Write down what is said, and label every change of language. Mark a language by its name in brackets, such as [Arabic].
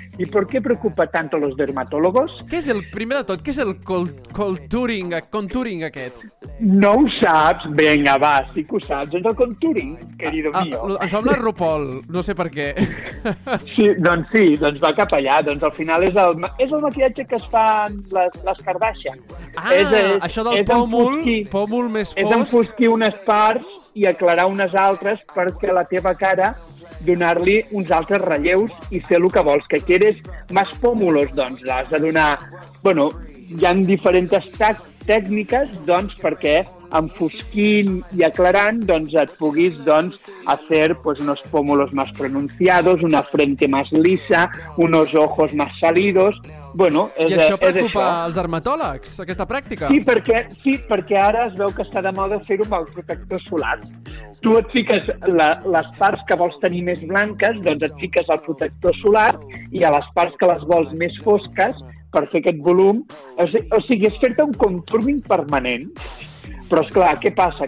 [Spanish] ¿Y por qué preocupa tanto a los dermatólogos? [Catalan] Què és el, primer de tot, què és el contouring aquest? No ho saps? Vinga, va, sí que ho saps. És el contouring, [Spanish] querido mío. [Catalan] Em sembla RuPaul, no sé per què. Sí, doncs va cap allà. Doncs al final és el maquillatge que es fa les Kardashian. Ah, això del pòmul més fosc. És enfosquir unes parts i aclarar unes altres perquè la teva cara donar-li uns altres relleus i fer el que vols. [Spanish] Que quieres más pómulos, [Catalan] doncs l'has de donar... Bueno, hi ha diferents tècniques, doncs, perquè enfosquint i aclarant, doncs, et puguis, doncs, [Spanish] hacer, pues, unos pómulos más pronunciados, una frente más lisa, unos ojos más salidos... Bueno, [Catalan] preocupa els dermatòlegs, aquesta pràctica? Sí, perquè ara es veu que està de moda fer-ho amb el protector solar. Tu et fiques les parts que vols tenir més blanques, doncs et fiques el protector solar, i a les parts que les vols més fosques, per fer aquest volum, o sigui, és fer-te un contouring permanent. Però, esclar, què passa?